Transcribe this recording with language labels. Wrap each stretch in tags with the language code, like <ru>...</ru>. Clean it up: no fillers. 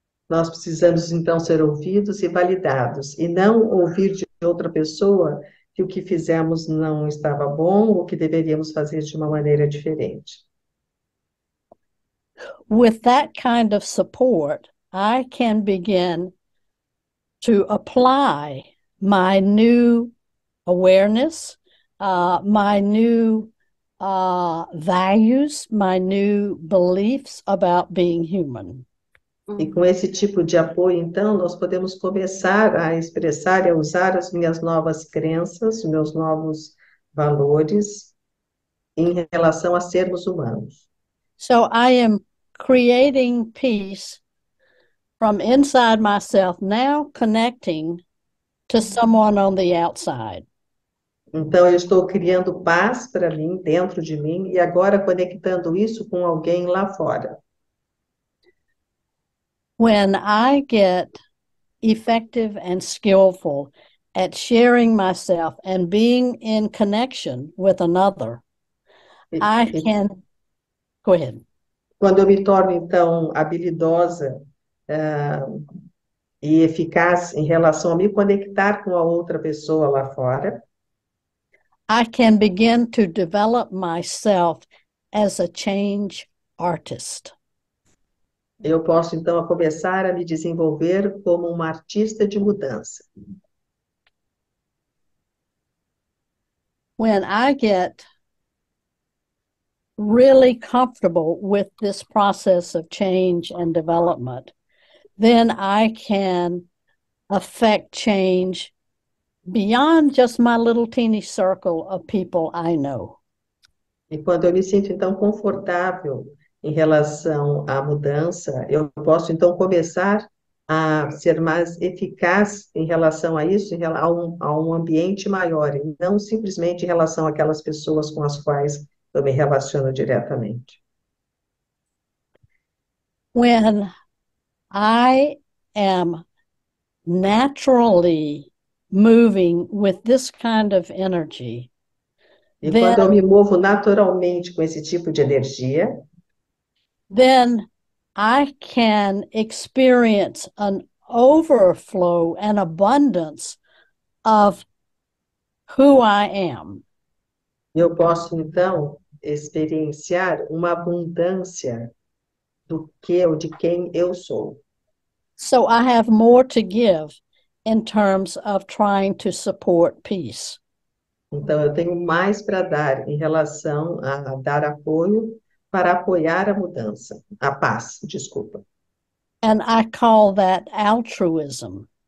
<pt>Nós precisamos, então, ser ouvidos e validados, e não ouvir de outra pessoa que o que fizemos não estava bom ou que deveríamos fazer de uma maneira diferente.</pt> <en>With that kind of support, I can begin to apply my new awareness, my new values, my new beliefs about being human.</en> <pt>E com esse tipo de apoio, então, nós podemos começar a expressar e a usar as minhas novas crenças, meus novos valores em relação a sermos humanos.</pt> <en>So I am creating peace from inside myself, now connecting to someone on the outside.</en> <pt>Então, eu estou criando paz para mim, dentro de mim, e agora conectando isso com alguém lá fora.</pt> <en>When I get effective and skillful at sharing myself and being in connection with another, I can... Go ahead.</en> <pt>Quando eu me torno, então, habilidosa e eficaz em relação a me conectar com a outra pessoa lá fora,</pt> <en>I can begin to develop myself as a change artist.</en> <pt>Eu posso, então, começar a me desenvolver como uma artista de mudança.</pt> <en>When I get really comfortable with this process of change and development, then I can affect change beyond just my little teeny circle of people I know.</en> <pt>E quando eu me sinto, então, confortável em relação à mudança, eu posso, então, começar a ser mais eficaz em relação a isso, a um ambiente maior, e não simplesmente em relação àquelas pessoas com as quais eu me relaciono diretamente.</pt> <en>When I am naturally moving with this kind of energy,</en> <pt>E quando eu me movo naturalmente com esse tipo de energia,</pt> <en>then I can experience an overflow, an abundance of who I am.</en> <pt>Eu posso, então, experienciar uma abundância do que ou de quem eu sou.</pt> <en>So I have more to give in terms of trying to support peace.</en> <pt>Então, eu tenho mais para dar em relação a dar apoio para apoiar a mudança, a paz, desculpa.</pt> <en>And I call that altruism.</en>